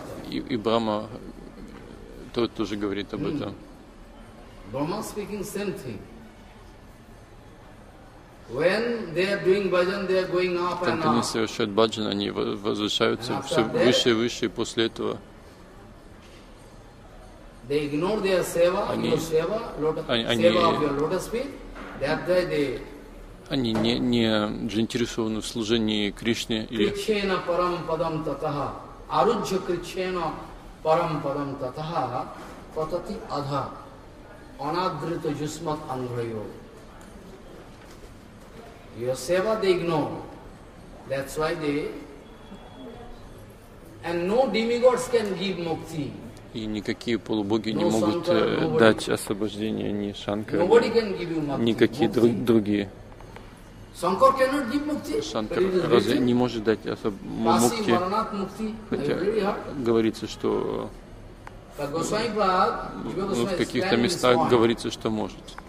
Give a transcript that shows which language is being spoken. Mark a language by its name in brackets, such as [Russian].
[Russian] И Брама тоже говорит об этом. [English] Брама speaking same thing. When they are doing bhajan, they are going up and up. [Russian] Когда они совершают баджан, они возвышаются все выше и выше, и после этого [English] they ignore their seva, [Russian] они, [English] your seva, lotus, [Russian] они, [English] seva of your lotus feet. That day they [Russian] они не заинтересованы в служении Кришне. [Sanskrit] Кричена парам падам татаха, аруджа кричена парам падам татаха, патати адха, анадрита юсмат анграйо. [English] Your seva they ignore. That's why they and no demigods can give mukti. [Russian] И никакие полубоги не могут дать освобождение ни Шанкар, никакие другие. [English] Шанкар cannot give mukti. [Russian] Шанкар разве не может дать мукти? Хотя говорится, что в каких-то местах говорится, что может.